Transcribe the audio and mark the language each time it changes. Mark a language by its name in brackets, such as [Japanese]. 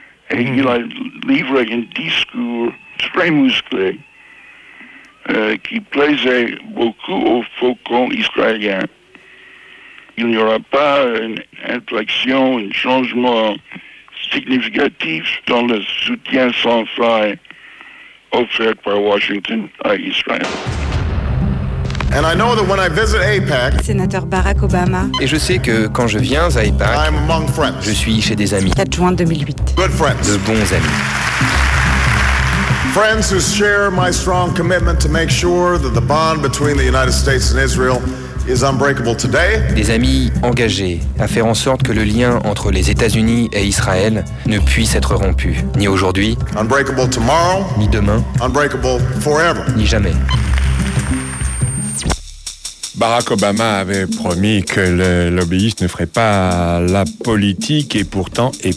[French] Et il a livré un discours très musclé qui plaisait beaucoup aux faucons israéliens. Il n'y aura pas une inflexion, un changement significatif dans le soutien sans faille offert par Washington à Israël. [English] And I know that when I visit AIPAC, [French] sénateur Barack Obama, et je sais que quand je viens à AIPAC, [English] I'm among friends. [French] Je suis chez des amis. 4 juin 2008. [English] Good friends. [French] De bons amis. [English] Friends who share my strong commitment to make sure that the bond between the United States and Israel is unbreakable today. [French] Des amis engagés à faire en sorte que le lien entre les États-Unis et Israël ne puisse être rompu, ni aujourd'hui, [English] unbreakable tomorrow, [French] ni demain, [English] unbreakable forever, [French] ni jamais. Barack Obama avait promis que le lobbyiste ne ferait pas la politique et pourtant.